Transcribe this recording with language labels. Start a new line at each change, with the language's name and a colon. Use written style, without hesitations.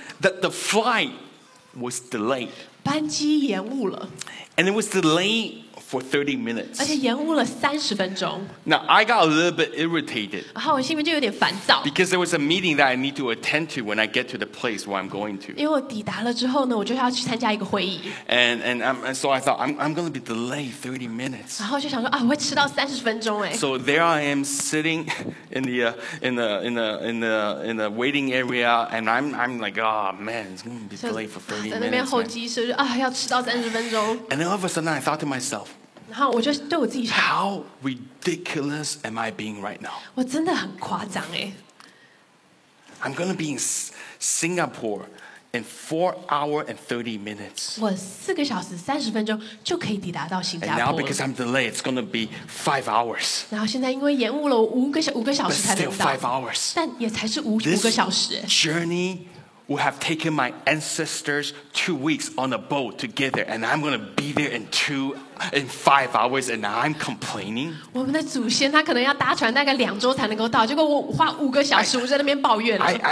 English: that the flight was delayed，
Chinese: 班机延误了
English: ，and it was delayed。 For 30 minutes.
Chinese: 而且延误了三十分钟。
English: Now I got a little bit irritated.
Chinese: 然后我心里面就有点烦躁。
English: Because there was a meeting that I need to attend to when I get to the place where I'm going to.
Chinese: 因为我抵达了之后呢，我就要去参加一个会议。
English: And so I thought I'm going to be delayed 30 minutes.
Chinese: 然后就想说啊，我会迟到三十分钟哎。
English: So there I am sitting in the waiting area, and I'm like, oh man, it's going to be delayed for 30 minutes.
Chinese: 在那边候机室就啊，要迟到三十分钟。
English: And then all of a sudden, I thought to myself.
Chinese: 然后我就对我自己想
English: How ridiculous am I being right now?
Chinese: 我真的很夸张耶
English: I'm going to be in Singapore in 4 hours and 30 minutes.
Chinese: 我4个小时30分钟就可以抵达到新加坡
English: And now because I'm delayed, it's going to be 5 hours.
Chinese: 然后现在因为延误了5个小时才能到
English: But still 5 hours.
Chinese: 但也才是5个小时
English: This journey... Would have taken my ancestors 2 weeks on a boat to get there, and I'm going to be there in 5 hours, and I'm complaining.
Chinese: 我们的祖先他可能要搭船大概两周才能够到，结果我花五个小时，我在那边抱怨了。